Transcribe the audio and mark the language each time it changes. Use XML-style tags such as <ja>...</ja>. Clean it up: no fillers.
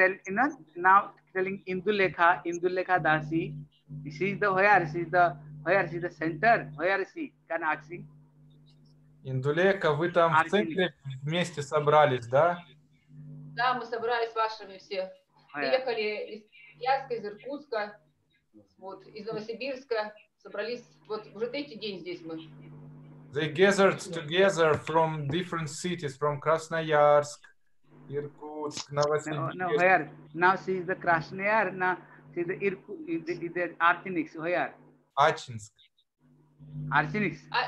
<en>Okay, now I can tell, you know, now telling Indulekha, Indulekha Dasi, this is the where, this is the where is the center? Where is he? Can ask him?</en> <ru>Индулека, вы там в центре вместе собрались, да? Да, мы собрались с вашими все. Приехали из Ярска, из Иркутска, вот, из Новосибирска. Собрались, вот уже третий день здесь мы.</ru> <en>They gathered together from different cities, from Красноярск, Иркутск, Новосибирск. No, where? Now she is the Krasnoyarsk, now she is the Irkutsk, the Artinix, where?</en> <ru>Ачинск. Арчиник?</ru>